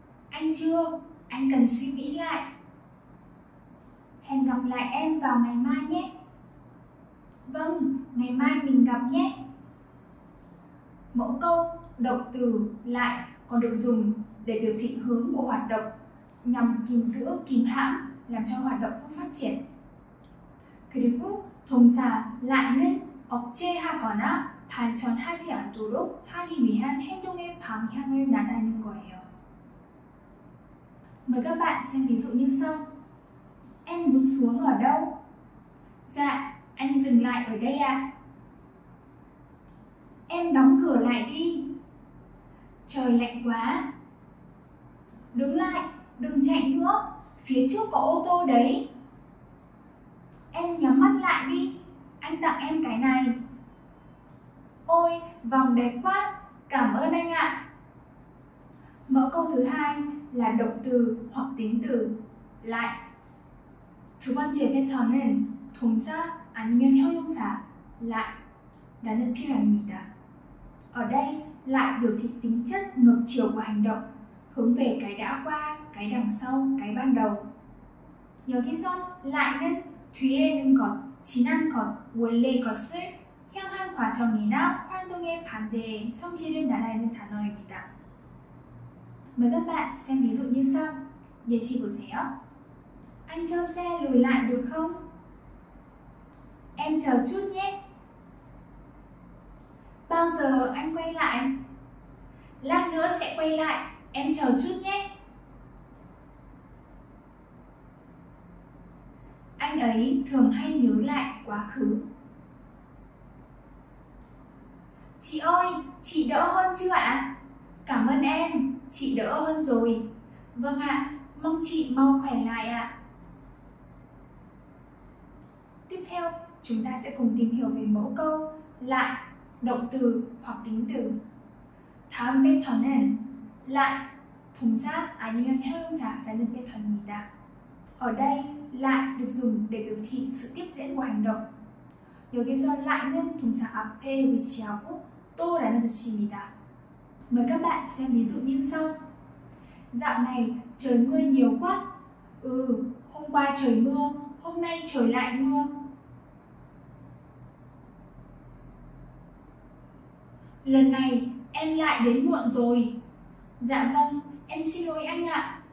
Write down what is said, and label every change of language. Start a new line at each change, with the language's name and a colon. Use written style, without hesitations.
Vietnamese: Anh chưa, anh cần suy nghĩ lại. Hẹn gặp lại em vào ngày mai nhé. Vâng, ngày mai mình gặp nhé. Mẫu câu, động từ, lại còn được dùng để biểu thị hướng của hoạt động nhằm kìm giữ, kìm hãm, làm cho hoạt động không phát triển.
Korean: 그리고 동사 lại는 억제하거나 반전하지 않도록 하기 위한 행동의 방향을 나타내는 거예요.
Vietnamese: Mời các bạn xem ví dụ như sau. Em muốn xuống ở đâu? Dạ, anh dừng lại ở đây ạ. Em đóng cửa lại đi. Trời lạnh quá. Đứng lại, đừng chạy nữa. Phía trước có ô tô đấy. Em nhắm mắt lại đi. Anh tặng em cái này. Ôi, vòng đẹp quá. Cảm ơn anh ạ. Mẫu câu thứ hai là động từ hoặc tính từ lại.
Korean: 두 번째 패턴은 동사 아니면 형용사 lại라는 표현입니다.
Vietnamese: Ở đây, lại biểu thị tính chất ngược chiều của hành động, hướng về cái đã qua, cái đằng sau, cái ban đầu.
Korean: 여기서 lại는 뒤에는 것, 지난 것, 원래 것을 향한 과정이나 활동의 반대의 성질을 나타내는 단어입니다.
Vietnamese: Mời các bạn xem ví dụ như sau.
Korean: 예시 보세요.
Vietnamese: Anh cho xe lùi lại được không? Em chờ chút nhé. Bao giờ anh quay lại? Lát nữa sẽ quay lại. Em chờ chút nhé. Anh ấy thường hay nhớ lại quá khứ. Chị ơi, chị đỡ hơn chưa ạ? Cảm ơn em, chị đỡ hơn rồi. Vâng ạ, mong chị mau khỏe lại ạ. Tiếp theo, chúng ta sẽ cùng tìm hiểu về mẫu câu lại, động từ hoặc tính từ.
Korean: 다음 패턴은 lại, 동사 아니면 형용사라는 패턴입니다.
Vietnamese: Ở đây, lại được dùng để biểu thị sự tiếp diễn của hành động.
Korean: 여기서 lại는 동사 앞에 위치하고 또라는 뜻입니다.
Vietnamese: Mời các bạn xem ví dụ như sau. Dạo này trời mưa nhiều quá. Ừ, hôm qua trời mưa, hôm nay trời lại mưa. Lần này em lại đến muộn rồi. Dạ vâng, em xin lỗi anh ạ.